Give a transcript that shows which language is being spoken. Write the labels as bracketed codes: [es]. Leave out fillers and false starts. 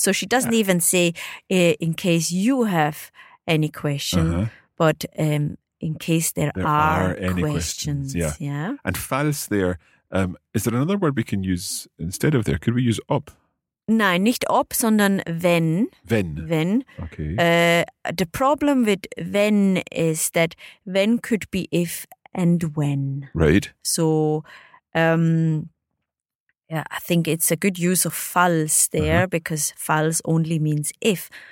[en] So she doesn't even say in case you have any question, uh-huh. but In case there are any questions. Yeah. And falls there, is there another word we can use instead of there? Could we use ob? [de] Nein, nicht ob, sondern wenn. Wenn. [en] Okay. The problem with wenn is that wenn could be if and when. Right. So, I think it's a good use of falls there because falls only means if.